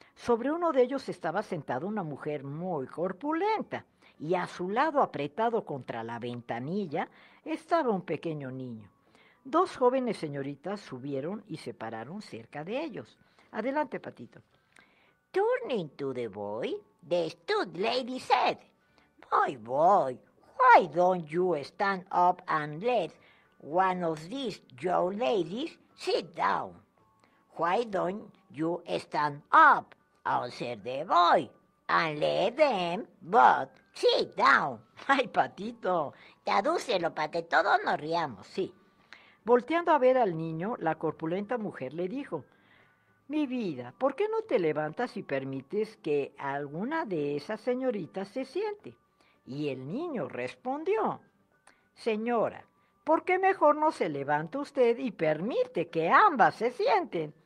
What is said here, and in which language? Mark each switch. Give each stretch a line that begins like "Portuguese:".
Spanish: Sobre uno de ellos estaba sentada una mujer muy corpulenta y a su lado, apretado contra la ventanilla, estaba un pequeño niño. Dos jóvenes señoritas subieron y se pararon cerca de ellos. Adelante, Patito.
English: Turning to the boy, the stout lady said, "Boy, boy, why don't you stand up and let one of these young ladies sit down?" "Why don't you stand up," answered the boy, "and let them both sit down?"
Spanish: ¡Ay, Patito! Tradúcelo para que todos nos riamos, sí. Volteando a ver al niño, la corpulenta mujer le dijo, "Mi vida, ¿por qué no te levantas y permites que alguna de esas señoritas se siente?" Y el niño respondió, "Señora, ¿por qué mejor no se levanta usted y permite que ambas se sienten?"